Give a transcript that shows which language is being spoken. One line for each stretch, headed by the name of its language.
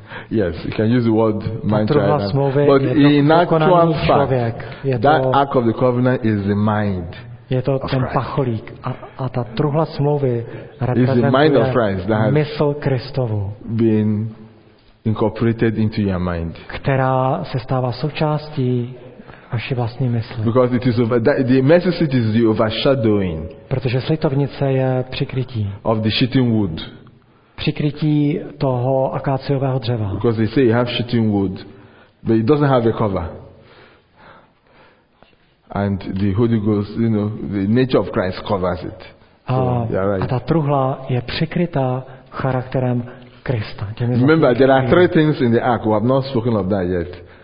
English: Yes, you can use the word man-child. But in actual fact, that Ark of the Covenant is the mind.
Czech: Je to ten pacholík a ta truhla smlouvy reprezentuje mysl Kristovu.
English: Being incorporated into your mind.
Czech: Která se stává součástí vaší vlastní mysli.
English: Because it is over, that, the mercy seat is the overshadowing.
Czech: Protože slitovnice je přikrytí.
English: Of the sheeting wood.
Czech: přikrytí toho akáciového dřeva.
English: Because they say you have shooting wood, but it doesn't have a cover. And the Holy Ghost, you know, the nature of Christ covers it.
Czech: A,
English: so, yeah, right.
Czech: A ta truhla je přikrytá charakterem Krista.
English: Remember, there are three things in the ark. We have not spoken of that yet.